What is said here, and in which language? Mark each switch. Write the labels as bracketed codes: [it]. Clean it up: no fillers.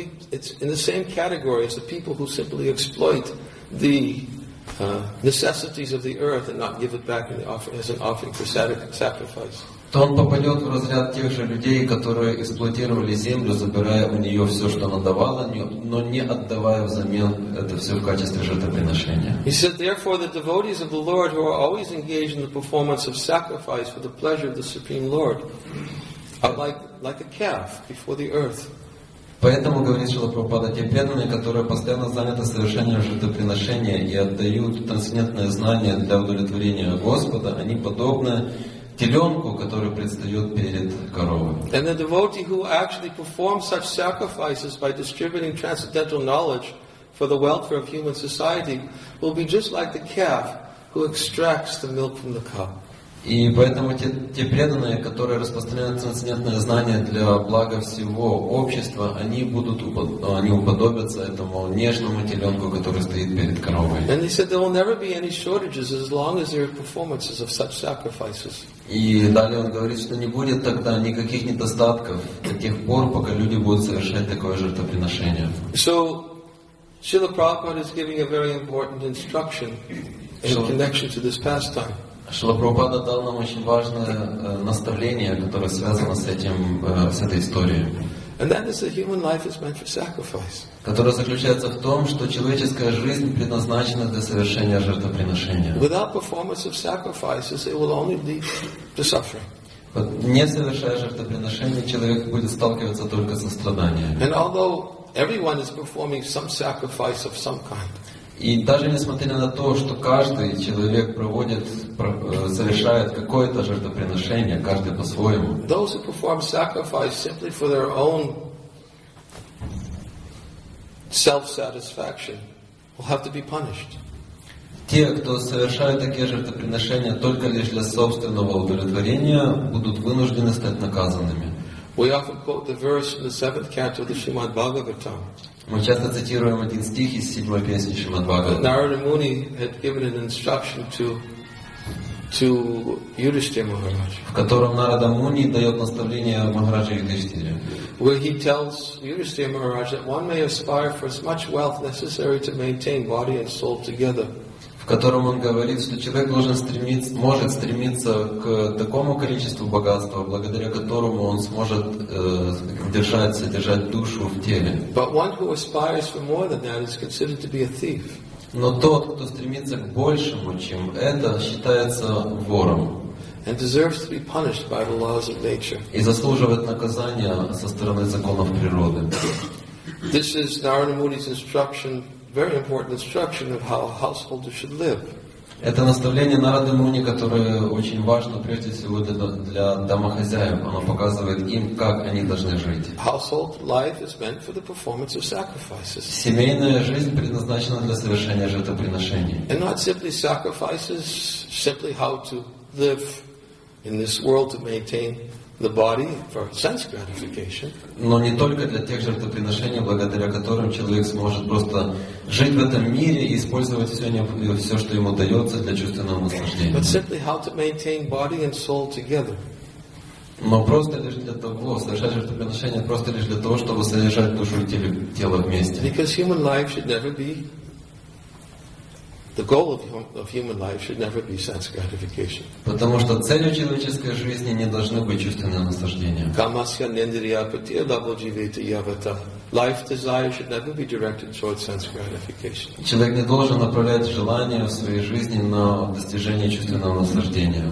[en] It's in the same category as the people who simply exploit the necessities of the earth and not give it back as an offering for sacrifice. [ru] То он попадет в разряд тех же людей, которые эксплуатировали землю, забирая у нее все, что она давала, но не отдавая взамен это все в качестве жертвоприношения. [en] He said, therefore, the devotees of the Lord who are always engaged in the performance of sacrifice for the pleasure of the Supreme Lord. Like a calf before the earth. [ru] Поэтому говорит Шрила Прабхупада, те преданные, которые постоянно заняты совершением жертвоприношения и отдают трансцендентное знание для удовлетворения Господа, они подобны теленку, который предстает перед коровой. [en] And the devotee who actually performs such sacrifices by distributing transcendental knowledge for the welfare of human society will be just like the calf who extracts the milk from the cup. [ru] И поэтому те преданные, которые распространяют трансцендентное знание для блага всего общества, они уподобятся этому нежному теленку, который стоит перед коровой. [en] And he said there will never be any shortages as long as there are performances of such sacrifices. [ru] И далее он говорит, что не будет тогда никаких недостатков до тех пор, пока люди будут совершать такое жертвоприношение. [en] So Srila Prabhupada is giving a very important instruction in connection to this pastime. [ru] Шрила Прабхупада дал нам очень важное наставление, которое связано с этим, с этой историей. [en] And that is that human life is meant for sacrifice. [ru] Которое заключается в том, что человеческая жизнь предназначена для совершения жертвоприношения. [en] Without performance of sacrifices, it will only lead to suffering. [ru] Вот, не совершая жертвоприношения, человек будет сталкиваться только со страданиями. [en] And although everyone is performing some sacrifice of some kind. [ru] И даже несмотря на то, что каждый человек совершает какое-то жертвоприношение, каждый по-своему. [en] Those who perform sacrifice simply for their own self-satisfaction will have to be punished. [ru] Те, кто совершают такие жертвоприношения только лишь для собственного удовлетворения, будут вынуждены стать наказанными. [en] We often quote the verse from the seventh canto of the Srimad Bhagavatam. [ru] Мы часто цитируем один стих из седьмой песни Шримад-Бхагаватам. [en] Narada Muni had given an instruction to Yudhishthira Maharaj. [ru] В котором Narada Muni дает наставление Махараджу Юдхиштхире. [en] Where he tells Yudhishthira Maharaj that one may aspire for as much wealth necessary to maintain body and soul together. [ru] В котором он говорит, что человек может стремиться к такому количеству богатства, благодаря которому он сможет содержать душу в теле. [en] But one who aspires for more than that is considered to be a thief. [ru] Но тот, кто стремится к большему, чем это, считается вором. [en] And deserves to be punished by the laws of nature. [ru] И заслуживает наказания со стороны законов природы. [en] This is Narada Muni's instruction, very important instruction of how a householder should live. [ru] Это наставление Нарады Муни, которое очень важно прежде всего для домохозяев. Оно показывает им, как они должны жить. [en] Household life is meant for the performance of sacrifices. [ru] Семейная жизнь предназначена для совершения жертвоприношений. [en] And not simply sacrifices, simply how to live in this world to maintain the body for sense gratification. [ru] Но не только для тех жертвоприношений, благодаря которым человек сможет просто жить в этом мире и использовать все, что ему дается для чувственного наслаждения. [en] But simply how to maintain body and soul together. [ru] Но просто лишь для того, совершать жертвоприношение просто лишь для того, чтобы содержать душу и тело вместе. [en] Because human life should never be the goal of human life should never be sense gratification. [ru] Потому что целью человеческой жизни не должны быть чувственные наслаждения. [sa] Kamasya nendriya patiya dabojivita yavata. [en] Life desire should never be directed towards sense gratification. [ru] Человек не должен направлять желания в своей жизни на достижение чувственного наслаждения.